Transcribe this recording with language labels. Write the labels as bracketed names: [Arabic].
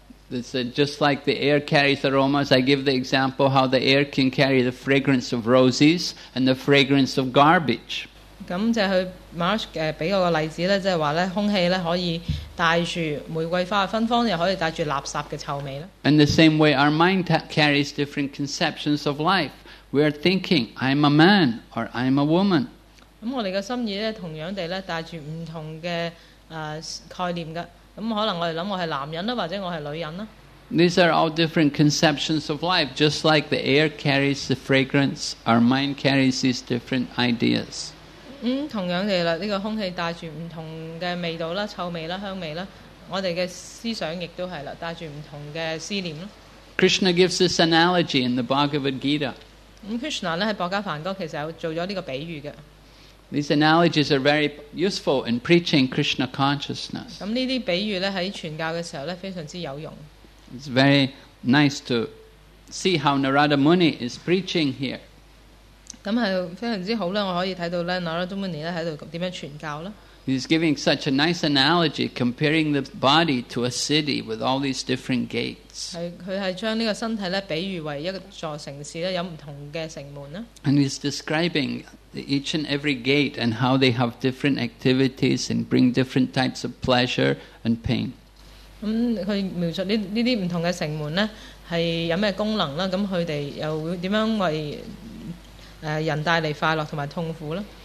[English] They said just like the air carries aromas, I give the example how the air can carry the fragrance of roses and the fragrance of garbage. [Cantonese] 咁就去 Marsh 俾個例子咧，即係話咧空氣咧可以帶住玫瑰花嘅芬芳，又可以帶住垃圾嘅臭味啦。 [English] In the same way, our mind carries different conceptions of life. We are thinking, I'm a man or I'm a woman. [Cantonese] 咁我哋嘅心意咧，同樣地咧帶住唔同嘅。概念嘅，咁可能我哋谂我系男人啦，或者我系女人啦。 [English] These are all different conceptions of life, just like the air carries the fragrance. Our mind carries these different ideas. [Cantonese] 同样地啦，呢个空气带住唔同嘅味道啦、臭味啦、香味啦，我哋嘅思想亦都系啦，带住唔同嘅思念啦。 [English] Krishna gives this analogy in the Bhagavad Gita. [Cantonese] Krishna 咧喺《博伽梵歌》其实有做咗呢个比喻嘅。 [English] These analogies are very useful in preaching Krishna consciousness. [Cantonese] 咁呢啲比喻咧喺傳教嘅時候咧非常之有用。 [English] It's very nice to see how Narada Muni is preaching here. [Cantonese] 咁係非常之好啦，我可以睇到咧 Narada Muni 咧喺度點樣傳教啦。 [English] He's giving such a nice analogy, comparing the body to a city with all these different gates. [Cantonese] 佢係將呢個身體咧比喻為一座城市咧，有唔同嘅城門啦。 [English] And he's describing. Each and every gate and how they have different activities and bring different types of pleasure and pain. [Cantonese] 咁佢描述呢啲唔同嘅城門咧，係有咩功能啦？咁佢哋又會點樣為人帶嚟快樂同埋痛苦咧